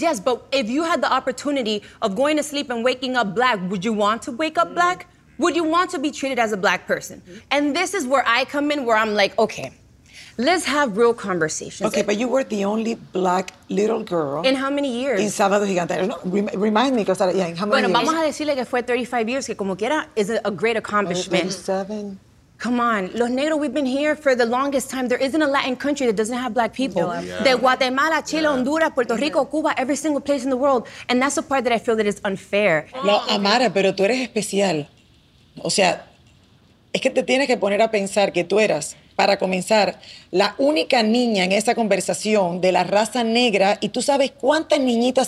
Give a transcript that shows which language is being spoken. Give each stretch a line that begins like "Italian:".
English: Yes, but if you had the opportunity of going to sleep and waking up black, would you want to wake up black? Would you want to be treated as a black person? Mm-hmm. And this is where I come in, where I'm like, okay. Let's have real conversations. Okay, but you were the only black little girl. In how many years? In Sábado Gigante. No, remind me, because in how many
Spanish: bueno,
English: years?
Spanish: Bueno, vamos a decirle que fue 35
English: years,
Spanish: que como quiera,
English: is a great accomplishment. 37? Come on.
Spanish: Los negros,
English: we've been here for the longest time. There isn't a Latin country that doesn't have black people. Yeah. De Guatemala, Chile, Honduras, Puerto Rico, Cuba, every single place in the world. And that's the part that I feel that is unfair.
Spanish: No, Amara, pero tú eres especial. O sea, es que te tienes que poner a pensar que tú eras... Para comenzar, la única niña en esa conversación de la raza negra, y tú sabes cuántas niñitas